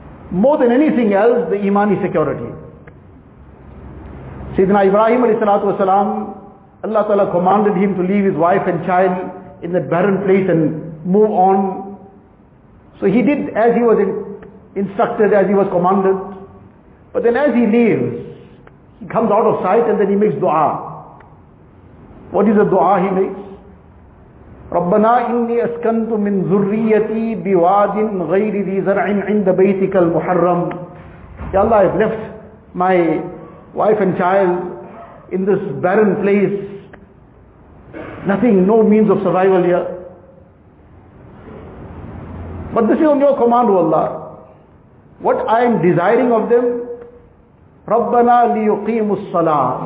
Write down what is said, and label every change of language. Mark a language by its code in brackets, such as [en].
[en] More than anything else, the imani security. Sayyidina Ibrahim alayhi salatu wasalam, Allah Ta'ala commanded him to leave his wife and child in that barren place and move on. So he did as he was instructed, as he was commanded. But then as he leaves, he comes out of sight and then he makes dua. What is the dua he makes? [ar] ربنا إني أسكنت من ذريتي بواد غير ذي زرع عند بيتك المحرم. [en] Ya Allah, I've left my wife and child in this barren place. Nothing, no means of survival here. But this is on your command, O Allah. What I am desiring of them, [ar] رَبَّنَا لِيُقِيمُ الصَّلَاةِ.